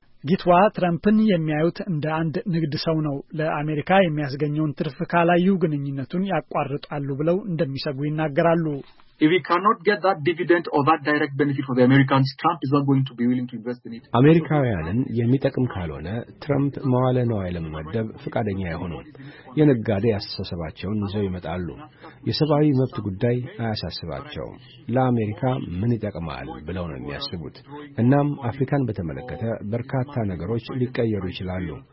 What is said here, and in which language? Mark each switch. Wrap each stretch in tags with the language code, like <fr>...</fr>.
<am>ጊትዋ ትራምፕን የሚያዩት እንደ አንድ ንግድ ሰው ነው። ለአሜሪካ የሚያስገኘውን ትርፍ ካላዩ ግንኙነቱን ያቋርጣሉ ብለው እንደሚሰጉ ይናገራሉ።</am> <en>If we cannot get that dividend or that direct benefit for the Americans, Trump is not going to be willing to invest in it.</en> <am>አሜሪካውያንን የሚጠቅም ካልሆነ ትራምፕ መዋለ ንዋይ ለመመደብ ፍቃደኛ አይሆኑም። የነጋዴ አስተሳሰባቸውን ይዘው ይመጣሉ። የሰብአዊ መብት ጉዳይ አያሳስባቸውም። ለአሜሪካ ምን ይጠቅማል ብለው ነው የሚያስቡት። እናም አፍሪካን በተመለከተ በርካታ ነገሮች ሊቀየሩ ይችላሉ።</am>